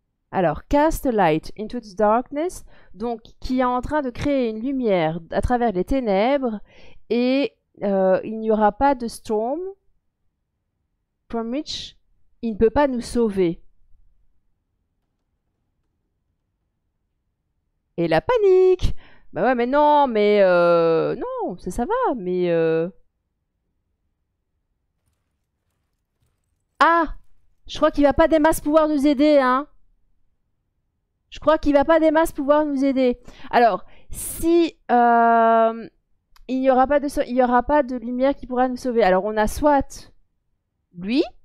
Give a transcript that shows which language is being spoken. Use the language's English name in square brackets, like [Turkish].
[English] Alors, cast a light into the darkness. [French] Donc, qui est en train de créer une lumière à travers les ténèbres. Et il n'y aura pas de [English] storm from which [French] il ne peut pas nous sauver. Et la panique! Bah ouais, mais non, mais non, ça va, mais ah! Je crois qu'il va pas des masses pouvoir nous aider, hein! Je crois qu'il va pas des masses pouvoir nous aider. Alors, si il n'y aura pas de il y aura pas de lumière qui pourra nous sauver. Alors, on a soit lui.